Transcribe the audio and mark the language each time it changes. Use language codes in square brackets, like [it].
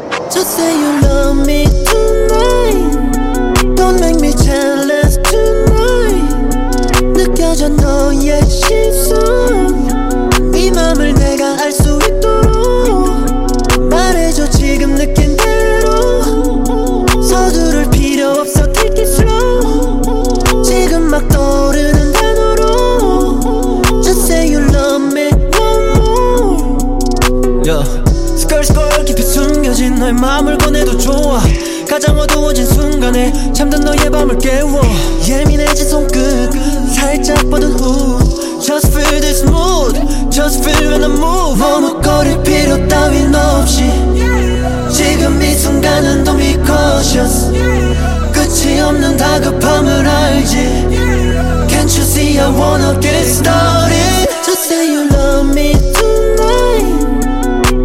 [en] Just say you love me tonight. Don't make me jealous tonight. [ko] 느껴져 너의 시선. 이 맘을 내가 알 수 있도록 말해줘 지금 느낀 대로. 서두를 필요 없어 [en] take it slow. [ko] 지금 막 떠오르는 단어로. [en] Just say you love me one more. Yeah. [ko] 숨겨진 너의 맘을 꺼내도 좋아. 가장 어두워진 순간에 잠든 너의 밤을 깨워. 예민해진 손끝 살짝 뻗은 후. [en] Just feel this mood. Just feel when I move. [ko] 머뭇거릴 필요 따윈 없이 지금 이 순간은 [en] don't be cautious. [ko] 끝이 없는 다급함을 알지. [en] Can't you see I wanna get started. Just say you love me tonight.